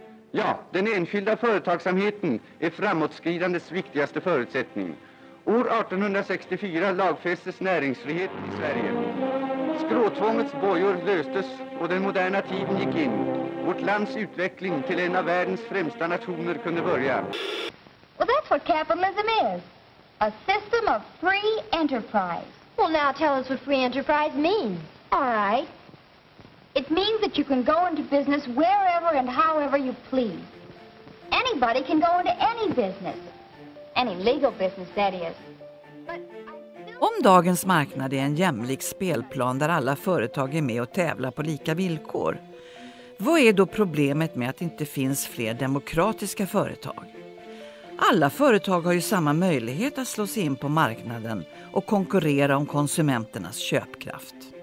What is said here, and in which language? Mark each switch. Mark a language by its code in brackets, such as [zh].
[sv] Ja, den enskilda företagsamheten är framåtskridandets viktigaste förutsättning. År 1864 lagfästes näringsfrihet i Sverige. Skråtvångets bojor löstes och den moderna tiden gick in. Vårt lands utveckling till en av världens främsta nationer kunde börja. [en] Well, that's what capitalism is. A system of free enterprise. Well, now tell us what free enterprise means. All right. It means that you can go into business wherever and however you please. Anybody can go into any business. Any legal business, that is. [sv] Om dagens marknad är en jämlik spelplan där alla företag är med och tävlar på lika villkor, vad är då problemet med att det inte finns fler demokratiska företag? Alla företag har ju samma möjlighet att slå sig in på marknaden och konkurrera om konsumenternas köpkraft.